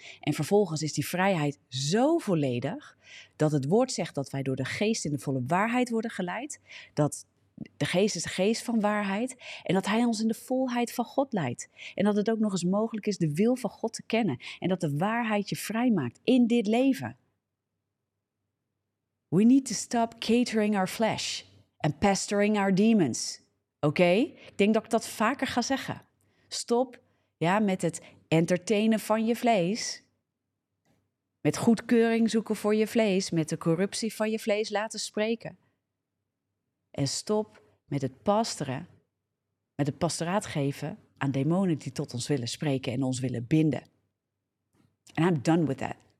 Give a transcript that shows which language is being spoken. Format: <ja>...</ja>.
<nl>En vervolgens is die vrijheid zo volledig dat het woord zegt dat wij door de geest in de volle waarheid worden geleid. Dat de geest is de geest van waarheid. En dat hij ons in de volheid van God leidt. En dat het ook nog eens mogelijk is de wil van God te kennen. En dat de waarheid je vrijmaakt in dit leven.</nl> <en>We need to stop catering our flesh and pestering our demons.</en> <nl>Oké? Ik denk dat ik dat vaker ga zeggen. Stop, ja, met het entertainen van je vlees. Met goedkeuring zoeken voor je vlees. Met de corruptie van je vlees laten spreken. En stop met het pastoren, met het pastoraat geven aan demonen die tot ons willen spreken en ons willen binden.</nl> <en>And I'm done with that.</en>